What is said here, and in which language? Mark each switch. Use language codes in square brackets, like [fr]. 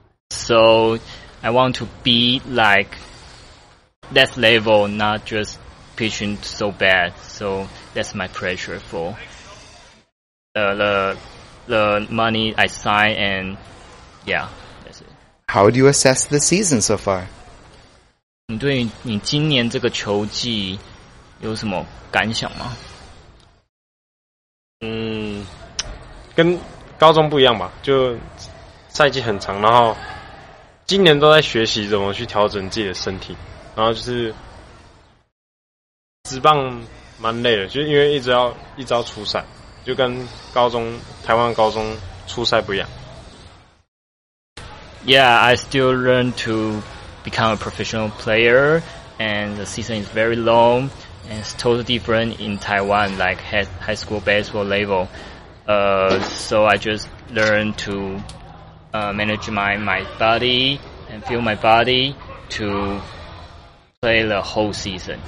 [en] So I want to be like that level, not just pitching so bad. So that's my pressure for the money I signed and yeah, that's it. How do you assess the season so far? [zh] 你对你今年这个球季有什么感想吗？嗯，跟高中不一样吧，就赛季很长，然后今年都在学习怎么去调整自己的身体，然后就是职棒蛮累的，就因为一直要出赛，就跟高中台湾高中出赛不一样。 [en] Yeah, I still learn to become a professional player, and the season is very long. And it's totally different in Taiwan, like high school baseball level. So I just learned to manage my body and feel my body to play the whole season.